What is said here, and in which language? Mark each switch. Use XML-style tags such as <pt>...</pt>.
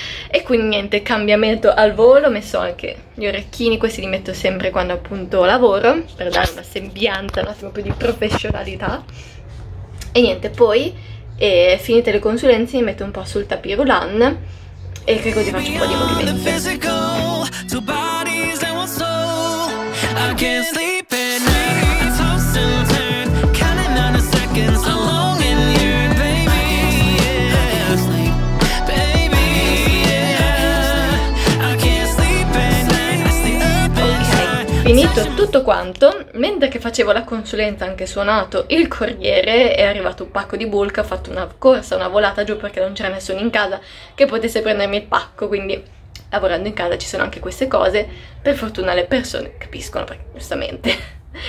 <it>e quindi niente, cambiamento al volo, ho messo anche gli orecchini, questi li metto sempre quando appunto lavoro per dare una sembianza, un attimo più di professionalità e niente, poi finite le consulenze mi metto un po' sul tapis roulant e che così faccio un po' di movimenti.</it> <en>Two bodies and one soul. I can't sleep at night. Toss and turn, counting on the seconds. Along in your baby, yeah. I can't sleep, baby, yeah. I can't sleep at night. It's the open sky.</en> <it>Finito tutto quanto. Mentre che facevo la consulenza anche suonato il corriere, è arrivato un pacco di bulk, ho fatto una corsa, una volata giù perché non c'era nessuno in casa che potesse prendermi il pacco, quindi lavorando in casa ci sono anche queste cose, per fortuna le persone capiscono, perché giustamente.</it>